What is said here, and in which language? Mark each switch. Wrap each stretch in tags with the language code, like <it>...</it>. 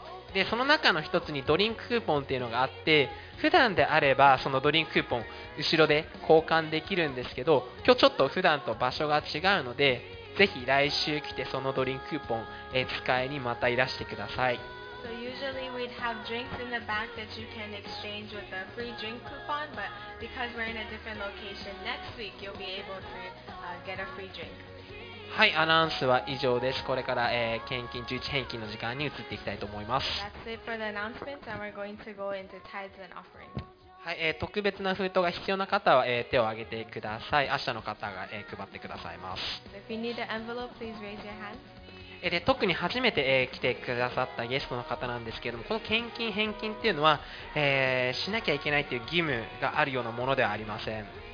<ja>でその中の一つにドリンククーポンっていうのがあって、普段であればそのドリンククーポン後ろで交換できるんですけど、今日ちょっと普段と場所が違うので、ぜひ来週来てそのドリンククーポン使いにまたいらしてください。</ja> <en>So usually we'd have drinks in the back that you can exchange with a free drink coupon, but because we're in a different location next week, you'll be able to get a free drink.</en> <ja>はい、アナウンスは以上です。これから、献金11返金の時間に移っていきたいと思います。</ja> <en>That's it for the announcements, and we're going to go into tithes and offerings.</en> <ja>はい、特別な封筒が必要な方は、手を挙げてください。明日の方が、配ってくださいます。</ja> <en>So、if you need an envelope, please raise your hand.</en> <ja>で特に初めて、来てくださったゲストの方なんですけれども、この献金返金っていうのは、しなきゃいけないという義務があるようなものではありません。</ja>